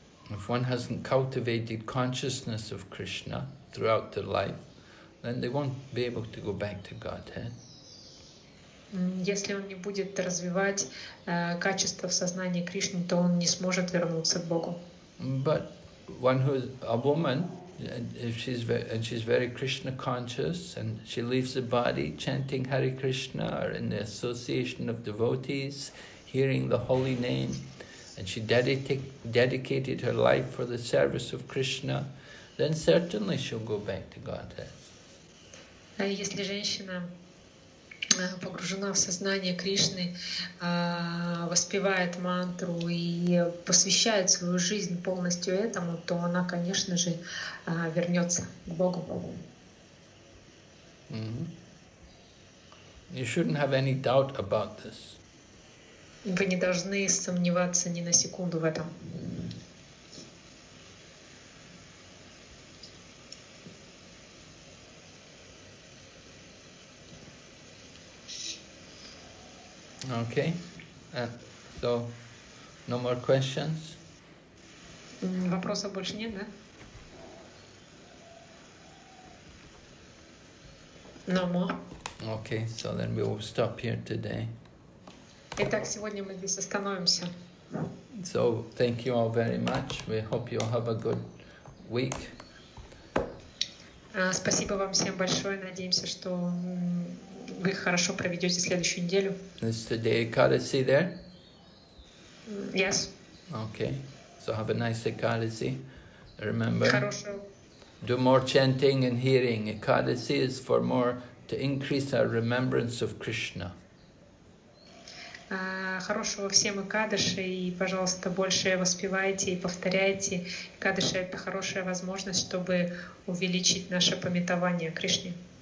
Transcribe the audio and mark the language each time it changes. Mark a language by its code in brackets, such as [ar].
[en] If one hasn't cultivated consciousness of Krishna throughout their life, then they won't be able to go back to Godhead. [ru] Если он не будет развивать качества в сознании Кришны, то он не сможет вернуться к Богу. [en] But one who is a woman, And she's very Krishna conscious, and she leaves the body chanting Hare Krishna or in the association of devotees, hearing the holy name, and she dedicated her life for the service of Krishna, then certainly she'll go back to Godhead. [ru] Если женщина погружена в сознание Кришны, воспевает мантру и посвящает свою жизнь полностью этому, то она, конечно же, вернется к Богу. [en] You shouldn't have any doubt about this. [ru] Вы не должны сомневаться ни на секунду в этом. [en] Okay, so no more questions? [ru] Вопросов больше нет, да? [en] No more. Okay, so then we will stop here today. [ru] Итак, сегодня мы здесь остановимся. [en] So thank you all very much. We hope you all have a good week. [ru] Спасибо вам всем большое. Надеемся, что вы хорошо проведете следующую неделю. [en] Is today Ekadasi there? Yes. Okay. So have a nice Ekadasi. Remember. [ru] Хорошо. [en] Do more chanting and hearing. Ekadasi is for more to increase our remembrance of Krishna. [ru] Хорошего всем Экадаши, и, пожалуйста, больше воспевайте и повторяйте. Экадаши — это хорошая возможность, чтобы увеличить наше памятование о Кришне.